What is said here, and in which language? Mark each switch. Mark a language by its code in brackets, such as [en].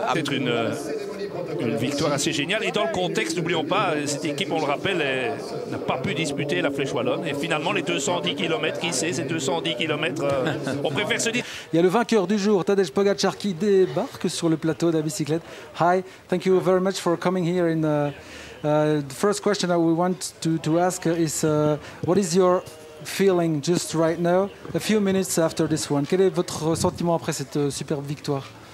[fr] C'est une victoire assez géniale. Et dans le contexte, n'oublions pas, cette équipe, on le rappelle, n'a pas pu disputer la Flèche Wallonne. Et finalement, les 210 km, qui sait, ces 210 km, on préfère se dire. Il y a le vainqueur du jour, Tadej Pogacar, qui débarque sur le plateau de la bicyclette. [en] Hi, thank you very much for coming here. The first question that we want to ask is, what is your feeling just right now, a few minutes after this one? [fr] Quel est votre sentiment après cette superbe victoire?